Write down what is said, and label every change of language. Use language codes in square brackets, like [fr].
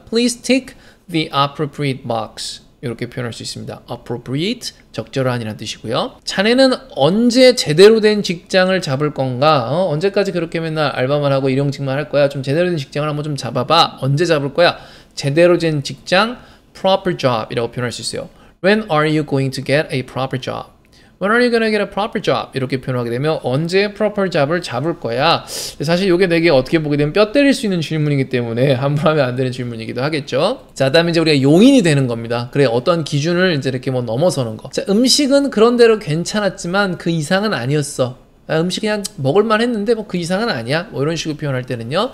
[en] Please tick the appropriate box. [ko] 이렇게 표현할 수 있습니다. appropriate, 적절한이라는 뜻이고요. 자네는 언제 제대로 된 직장을 잡을 건가? 언제까지 그렇게 맨날 알바만 하고 일용직만 할 거야? 좀 제대로 된 직장을 한번 좀 잡아봐. 언제 잡을 거야? 제대로 된 직장, proper job 이라고 표현할 수 있어요. [en] When are you going to get a proper job? When are you gonna get a proper job? [ko] 이렇게 표현하게 되면 언제 proper job을 잡을 거야? 사실 이게 되게 어떻게 보게 되면 뼈 때릴 수 있는 질문이기 때문에 함부로 하면 안 되는 질문이기도 하겠죠. 자, 다음에 이제 우리가 용인이 되는 겁니다. 그래, 어떤 기준을 이제 이렇게 뭐 넘어서는 거. 자, 음식은 그런대로 괜찮았지만 그 이상은 아니었어. 음식 그냥 먹을만 했는데 뭐 그 이상은 아니야. 뭐 이런 식으로 표현할 때는요.